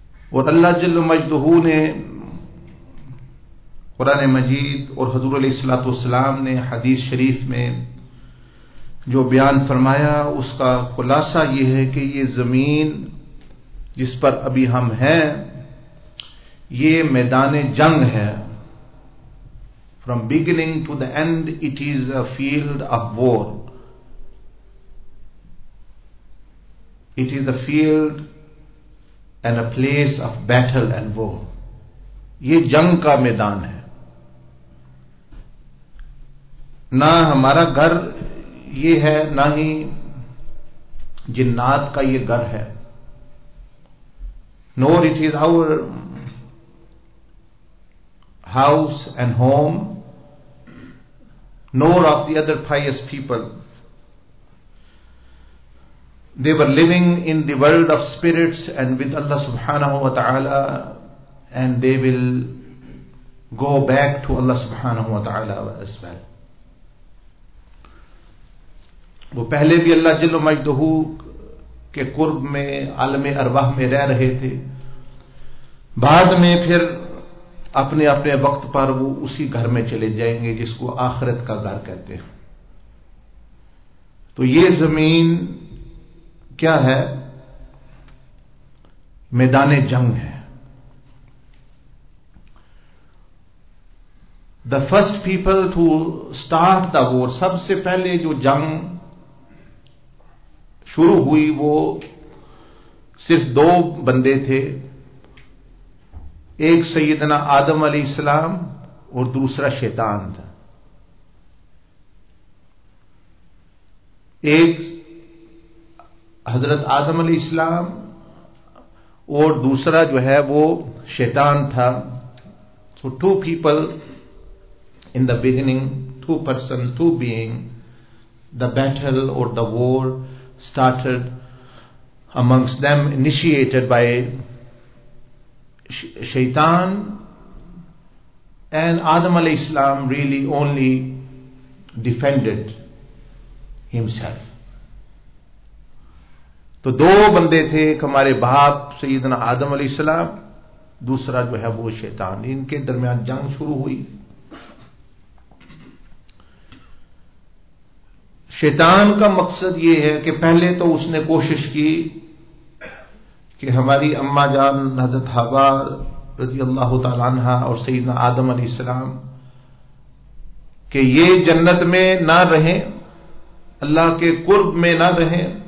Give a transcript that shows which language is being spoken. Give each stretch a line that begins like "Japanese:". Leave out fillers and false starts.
Urdu: اور اللہ جل مجدہو نے قرآن مجید اور حضور علیہ الصلاۃ والسلام نے حدیث شریف میں جو بیان فرمایا، اس کا خلاصہ یہ ہے کہ یہ زمین جس پر ابھی ہم ہیں، یہ میدان جنگ ہے.
English: From beginning to the end it is a field of war, it is a field and a place of battle and war.
Urdu: یہ جنگ کا میدان ہے. نہ ہمارا گھر یہ ہے، نہ ہی جنات کا یہ گھر ہے،
English: Nor it is our house and home, nor of the other pious people. They were living in the world of spirits and with اللہ سبحانہ و تعالی، and they will go back to اللہ سبحانہ و تعالی as well.
Urdu: وہ پہلے بھی اللہ جل مجدہو کے قرب میں، عالم ارواح میں رہ رہے تھے، بعد میں پھر اپنے اپنے وقت پر وہ اسی گھر میں چلے جائیں گے جس کو آخرت کا گھر کہتے ہیں. تو یہ زمین کیا ہے؟ میدان جنگ ہے.
English: the first people to start the war,
Urdu: سب سے پہلے جو جنگ شروع ہوئی، وہ صرف دو بندے تھے، ایک سیدنا آدم علیہ السلام اور دوسرا شیطان تھا. ایک حضرت آدم علیہ السلام اور دوسرا جو ہے وہ شیطان تھا.
English: So two people in the beginning two person, two being, the battle or the war started amongst them, initiated by Shaitan, and Adam alayhi salam really only defended himself.
Urdu: تو دو بندے تھے, ایک ہمارے باپ سیدنا آدم علیہ السلام, دوسرا جو ہے وہ شیطان. ان کے درمیان جنگ شروع ہوئی. شیطان کا مقصد یہ ہے کہ پہلے تو اس نے کوشش کی کہ ہماری اماں جان حضرت حوا رضی اللہ تعالی عنہا اور سیدنا آدم علیہ السلام کہ یہ جنت میں نہ رہیں, اللہ کے قرب میں نہ رہیں.